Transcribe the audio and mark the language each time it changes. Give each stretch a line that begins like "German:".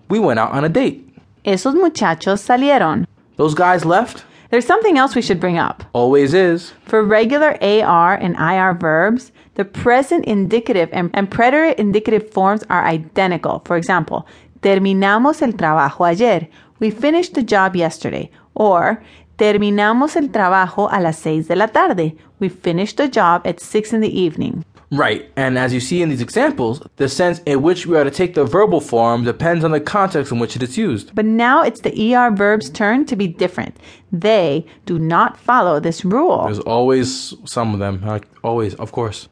English: We went out on a date.
Spanish: Esos muchachos salieron.
English: Those guys left. There's something else we should bring up. Always is. For regular AR and IR verbs, the present indicative and preterite indicative forms are identical. For example,
Spanish: terminamos el trabajo ayer.
English: We finished the job yesterday. Or,
Spanish: terminamos el trabajo a las 6 de la tarde.
English: We finished the job at 6 in the evening. Right. And as you see in these examples, the sense in which we are to take the verbal form depends on the context in which it is used. But now it's the ER verb's turn to be different. They do not follow this rule. There's always some of them. Always, of course.